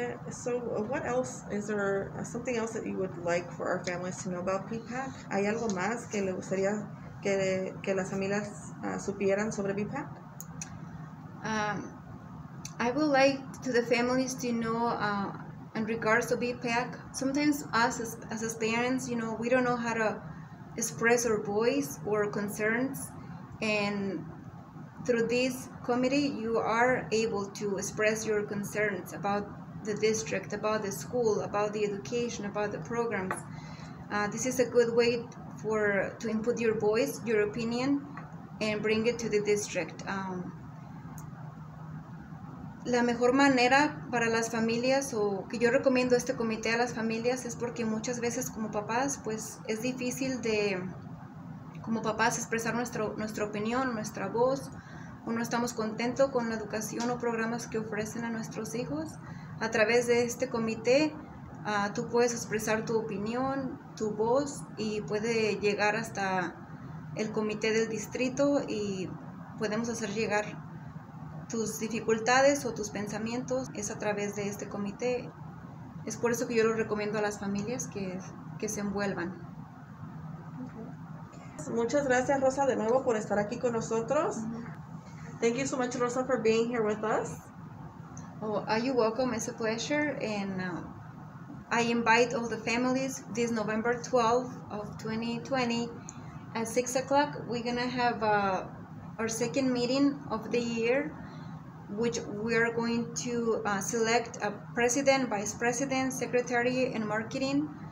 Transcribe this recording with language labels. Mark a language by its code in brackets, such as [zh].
[en] So what else, is there something else that you would like for our families to know about BPAC? [es] ¿Hay algo más que le gustaría que las familias supieran sobre BPAC? [en] I would like to the families to know in regards to BPAC, sometimes us as parents, you know, we don't know how to express our voice or concerns. And through this committee, you are able to express your concerns about the district, about the school, about the education, about the programs. This is a good way to input your voice, your opinion, and bring it to the district. [es] La mejor manera para las familias o que yo recomiendo este comité a las familias es porque muchas veces como papás, pues es difícil de, como papás, expresar nuestra opinión, nuestra voz, o no estamos contentos con la educación o programas que ofrecen a nuestros hijos. A través de este comité, tú puedes expresar tu opinión, tu voz, y puede llegar hasta el comité del distrito y podemos hacer llegar tus dificultades o tus pensamientos es a través de este comité. Es por eso que yo lo recomiendo a las familias que se envuelvan. Muchas gracias, Rosa, de nuevo por estar aquí con nosotros. Mm-hmm. [en] Thank you so much, Rosa, for being here with us. Oh, are you welcome. It's a pleasure. And I invite all the families this November 12th of 2020 at 6 o'clock. We're going to have our second meeting of the year, which we are going to select a president, vice president, secretary, and marketing.